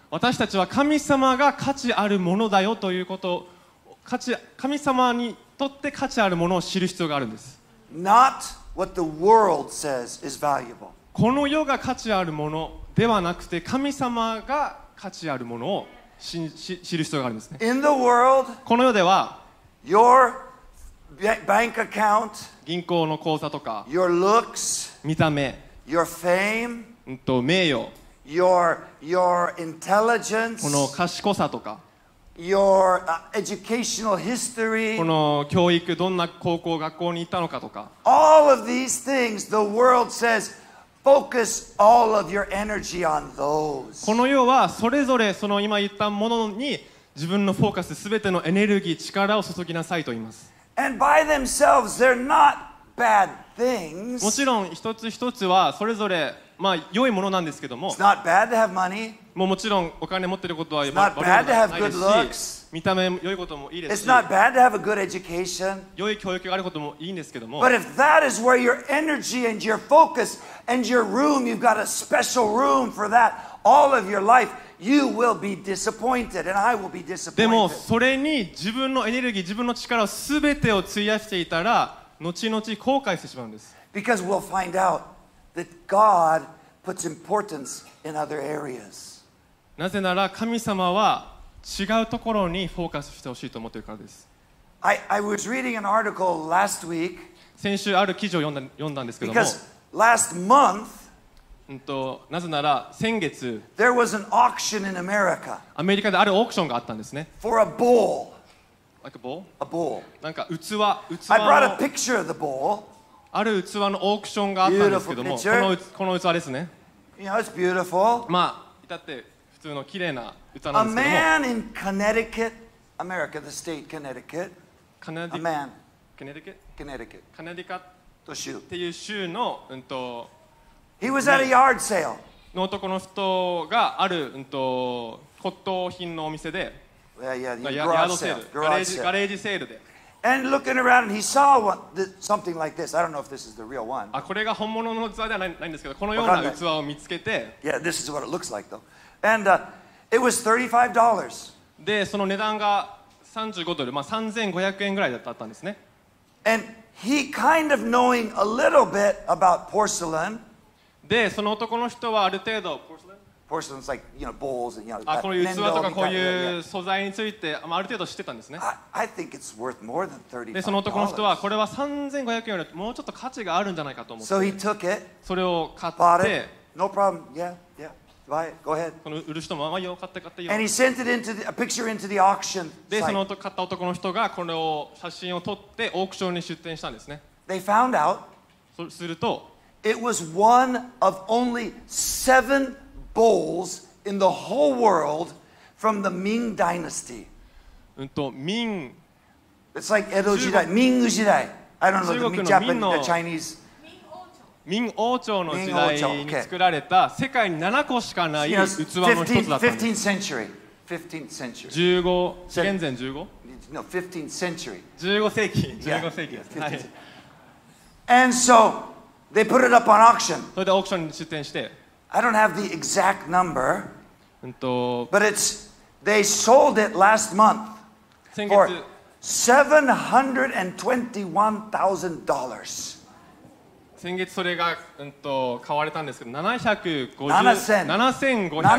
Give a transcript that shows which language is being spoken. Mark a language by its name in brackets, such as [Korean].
[Japanese] 私たちは神様が価値あるものだよということを神様にとって価値あるものを知る必要があるんです。 [English] Not what the world says is valuable. [Japanese] この世が価値あるものではなくて神様が価値あるものを知る必要があるんですね。 [English] In the world, [Japanese] この世では [English] your bank account, [Japanese] 銀行の口座とか [English] your looks, [Japanese] 見た目 [English] your fame, [Japanese] 名誉 [English] your intelligence, [Japanese] この賢さとか [English] your educational history, [Japanese] この教育どんな高校学校に行ったのかとか [English] all of these things, the world says, focus all of your energy on those. [Japanese] この世はそれぞれその今言ったものに自分のフォーカス全てのエネルギー力を注ぎなさいと言います [English] And by themselves, they're not bad things. [Japanese] もちろん一つ一つはそれぞれまあ良いものなんですけども [English] It's not bad to have money. [Japanese] もちろんお金持ってることは [English] It's not bad to have good looks. [Japanese] 見た目も良いこともいいですし [English] It's not bad to have a good education. [Japanese] 良い教育があることもいいんですけども [English] But if that is where your energy and your focus and your room, you've got a special room for that all of your life, you will be disappointed and I will be disappointed. [Japanese] でもそれに自分のエネルギー、自分の力を全てを費やしていたら後々後悔してしまうんです。 [English] Because we'll find out. That God puts importance in other areas. [Japanese] なぜなら神様は違うところにフォーカスしてほしいと思っているからです。 [English] I was reading an article last week. [Japanese] 先週ある記事を読んだんですけども。 [English] Because last month, [Japanese] なぜなら先月、 [English] there was an auction in America. [Japanese] アメリカであるオークションがあったんですね。 [English] For a bowl. Like a bowl? A bowl. [Japanese] なんか器。 [English] I brought a picture of the bowl. [Japanese] ある器のオークションがあったんですけども、この器ですね。 [English] You know, it's beautiful. [Japanese] まあ、至って普通の綺麗な器なんですけども。 [English] A man in Connecticut, America, the state Connecticut. A man. Connecticut? Connecticut. [Japanese] カネディカット州。っていう州の、 [English] He was at a yard sale. [Japanese] の男の人がある、骨董品のお店で、ガレージセールで。 [English] And looking around, and he saw what, something like this. I don't know if this is the real one. [Japanese] あ、これが本物の器ではないんですけど、このような器を見つけて。 [English] Yeah, this is what it looks like, though. And it was $35. [Japanese] で、その値段が35ドル、まあ3500円ぐらいだったんですね。 [English] And he kind of knowing a little bit about porcelain. [Japanese] で、その男の人はある程度、 [English] porcelain is like, you know, bowls and, you know, [Japanese] こういう器とかこういう素材についてある程度知ってたんですね。 [English] I think it's worth more than $35. [Japanese] で、その男の人はこれは3500円よりもうちょっと価値があるんじゃないかと思って。 [English] So he took it. [Japanese] それを買って。 [English] No problem. Yeah, yeah. Buy it. Go ahead. [Japanese] この売る人もまあよ、買って買ってよ。 [English] And he sent it into the, a picture into the auction site. [Japanese] で、その買った男の人がこれを写真を撮ってオークションに出展したんですね。 [English] They found out. [Japanese] すると。 [English] It was one of only seven bowls in the whole world from the Ming Dynasty. Ming. It's like Edo 時代, Ming 時代. I don't know the Ming Japanese, the Chinese. [Japanese] Ming 王朝の時代に作られた世界に7個しかない器の一つだったんです。 [English] 15th century. 15th century. [Japanese] 15, 紀元前 15? [English] No, 15th century. [Japanese] 15世紀, 15世紀です。はい。 [English] And so. They put it up on auction. [Japanese] それでオークションに出展して。 [English] I don't have the exact number. But it's they sold it last month for $721,000. [Japanese] 先月それが買われたんですけど、750,000